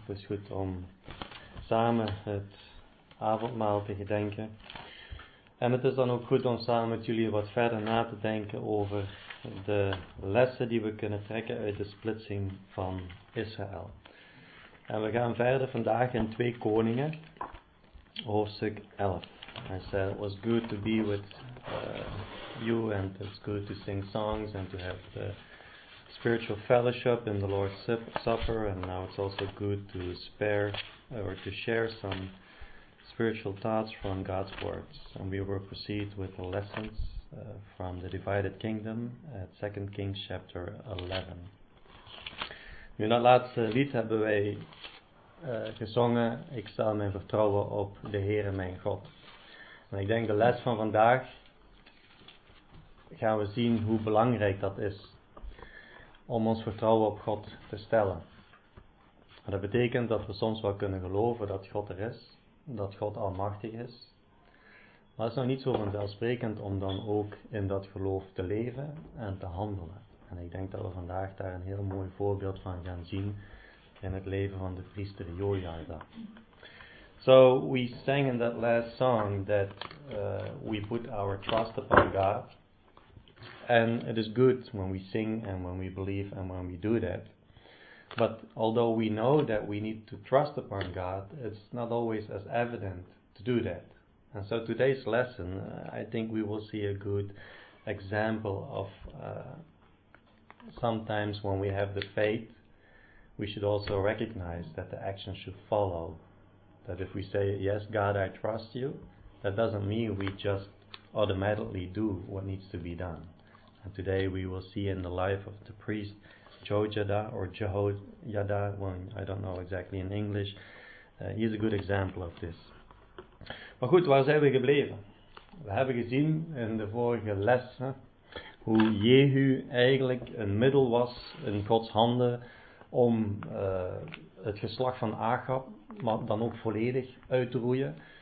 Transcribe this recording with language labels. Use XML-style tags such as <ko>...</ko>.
<nl>Het is goed om samen het avondmaal te gedenken. En het is dan ook goed om samen met jullie wat verder na te denken over de lessen die we kunnen trekken uit de splitsing van Israël. En we gaan verder vandaag in 2 Koningen, hoofdstuk 11.</nl> <en>I said it was good to be with you, and it's good to sing songs and to have the spiritual fellowship in the Lord's Supper, and now it's also good to spare or to share some spiritual thoughts from God's words. And we will proceed with the lessons from the divided kingdom at 2 Kings chapter 11.</en> <nl>Nu in dat laatste lied hebben wij gezongen: ik stel mijn vertrouwen op de Heere mijn God. En ik denk de les van vandaag gaan we zien hoe belangrijk dat is om ons vertrouwen op God te stellen. En dat betekent dat we soms wel kunnen geloven dat God er is, dat God almachtig is. Maar het is nog niet zo vanzelfsprekend om dan ook in dat geloof te leven en te handelen. En ik denk dat we vandaag daar een heel mooi voorbeeld van gaan zien in het leven van de priester Jojada.</nl> <en>So we sang in that last song that we put our trust upon God. And it is good when we sing and when we believe and when we do that. But although we know that we need to trust upon God, it's not always as evident to do that. And so today's lesson, I think we will see a good example of sometimes when we have the faith, we should also recognize that the action should follow. That if we say, yes, God, I trust you, that doesn't mean we just automatically do what needs to be done. And today we will see in the life of the priest Jojada, or Jehoiada, well, I don't know exactly in English. He is a good example of this.</en> <nl>Maar goed, waar zijn we gebleven? We hebben gezien in de vorige lessen hoe Jehu eigenlijk een middel was in Gods handen om het geslacht van Achab, maar dan ook volledig uit te roeien.</nl>